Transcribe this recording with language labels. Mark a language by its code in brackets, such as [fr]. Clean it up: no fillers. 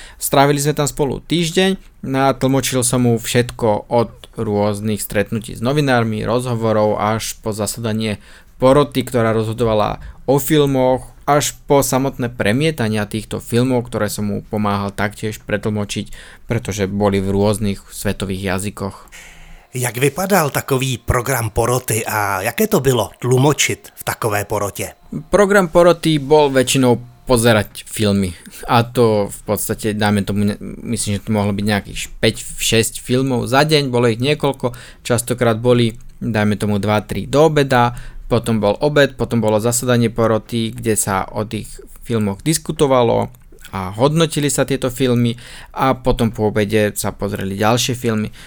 [sk] Strávili sme tam spolu týždeň, natlmočil som mu všetko od rôznych stretnutí s novinármi, rozhovorov až po zasadanie poroty, ktorá rozhodovala o filmoch, až po samotné premietania týchto filmov, ktoré som mu pomáhal taktiež pretlmočiť, pretože boli v rôznych svetových jazykoch. [cs] Jak vypadal takový program poroty a jaké to bylo [sk] tlmočiť [cs] v takové porote? [sk] Program poroty bol väčšinou pozerať filmy. A to v podstate, dáme tomu, myslím, že to mohlo byť nejakých 5-6 filmov za deň, bolo ich niekoľko, častokrát boli, dáme tomu, 2-3 do obeda, potom bol obed, potom bolo zasadanie poroty, kde sa o tých filmoch diskutovalo a hodnotili sa tieto filmy a potom po obede sa pozreli ďalšie filmy.